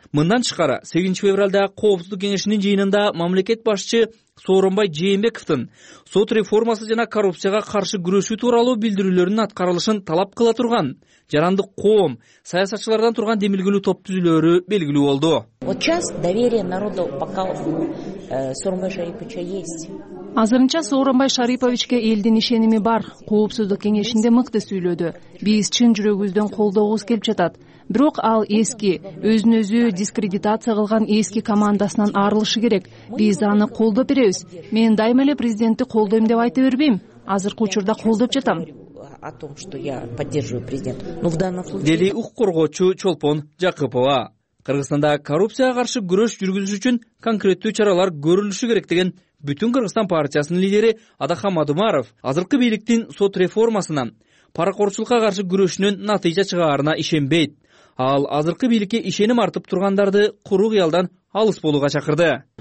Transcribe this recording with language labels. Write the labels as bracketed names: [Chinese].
[Kyrgyz] Мындан тышкары 8-февралда коопсуздук кеңешинин жыйынында мамлекет башчы Сооронбай Жээнбековдун сот реформасы жана коррупцияга каршы күрөшүү тууралуу билдирүүлөрүнүн аткарылышын талап кыла турган жарандык коом саясатчылардан турган демилгүлүү топ түзүлөөрү белгилүү болду. [Russian] Сейчас доверие народа пока Сооронбай Шариповичке есть. [Kyrgyz] Азырынча Сооронбай Шариповичке элдин ишеними бар. Коопсуздук кеңешинде мыкты сүйлөдү. Биз чын жүрөгүбүздөн колдообуз келип жатат. Бирок ал эски, өзүн өзү дискредитация кылган эски командасынан арылышы керек. Биз аны колдоп беребиз. Мен дайыма эле президентти колдойм деп айта бербейм. Азыркы учурда колдоп жатам. [Russian] О том, что я поддерживаю президент. Но в данном случае [Kyrgyz] дели укук коргоочу Чолпон Жакыпова. Кыргызстанда коррупцияга каршы күрөш жүргүзүш үчүн конкреттүү чаралар көрүлүшү керек деген бүтүн Кыргызстан партиясынын лидери Адахан Мадумаров азыркы бийликтин сот реформасынан паракорчулукка каршы күрөшүнүн натыйжа чыгаарына ишенбейт. Ал азыркы бийликке ишеним артып тургандарды куру кыялдан алыс болууга чакырды.